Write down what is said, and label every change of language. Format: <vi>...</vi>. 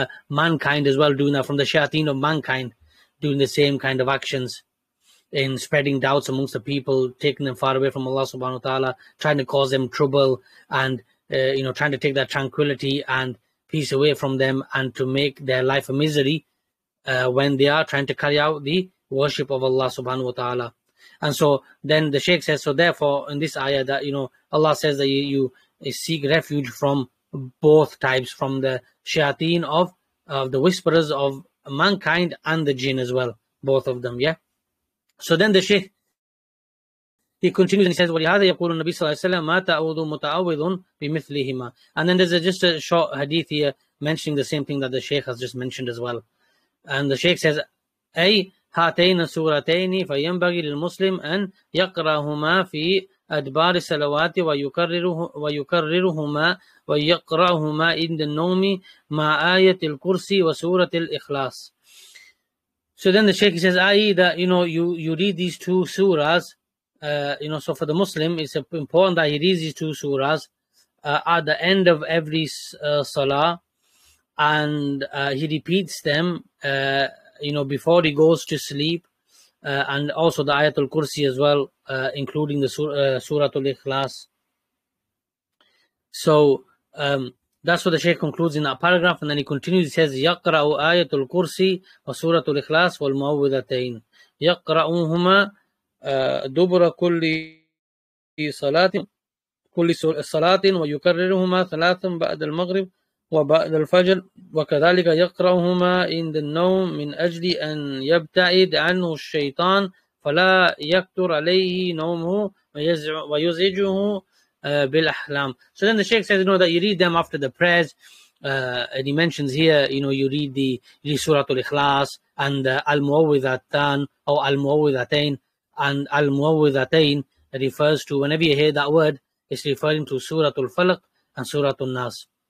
<en>mankind as well doing that, from the shayateen of mankind doing the same kind of actions in spreading doubts amongst the people, taking them far away from Allah subhanahu wa ta'ala, trying to cause them trouble and, you know, trying to take that tranquility and peace away from them and to make their life a misery when they are trying to carry out the worship of Allah subhanahu wa ta'ala. And so then the Shaykh says, so therefore in this ayah that, you know, Allah says that you seek refuge from both types, from the shayateen of the whisperers of mankind and the jinn as well, both of them, yeah. So then the Shaykh, he continues and he says,</en> <ar>وَلِهَذَا يَقُولُ النَّبِي صَلَّى اللَّهِ عَلَيْهِ وَسَلَّمَ مَا تَأْوُذُ مُتَأَوِّذٌ بِمِثْلِهِمَا.</ar> <en>And then there's just a short hadith here mentioning the same thing that the Shaykh has just mentioned as well. And the Shaykh says,</en> <ar>أي هاتين سورتين فينبغي للمسلم أن يقرأهما في أدبار الصلوات ويكررهما ويقرأهما عند النوم مع آية الكرسي وسورة الإخلاص.</ar> <en>So then the Shaykh says, i.e. that, you know, you read these two surahs, you know, so for the Muslim, it's important that he reads these two surahs at the end of every salah, and he repeats them, you know, before he goes to sleep, and also the Ayatul Kursi as well, including the Suratul Ikhlas. So that's what the Shaykh concludes in that paragraph, and then he continues. He says,</en> <ar>"Yaqra'u Ayatul Kursi wa Suratul Ikhlas wal Mu'awwidhatayn. Yaqra'uhuma dubra kulli salatin wa yukarriruhuma thalathan ba'da al-maghrib وبعد الفجر وكذلك يقرأهما عند النوم من أجل أن يبتعد عنه الشيطان فلا يكتر عليه نومه ويزعجه bil ahlam.</ar> <en>So then the Shaykh says, you know, that you read them after the prayers. And he mentions here, you know, you read the Surah Al-Ikhlas and Al Muawwidhatan or Al Muawwidhatain. And Al Muawwidhatain refers to, whenever you hear that word, it's referring to Surah Al-Falaq and Surah Al-Nas.</en>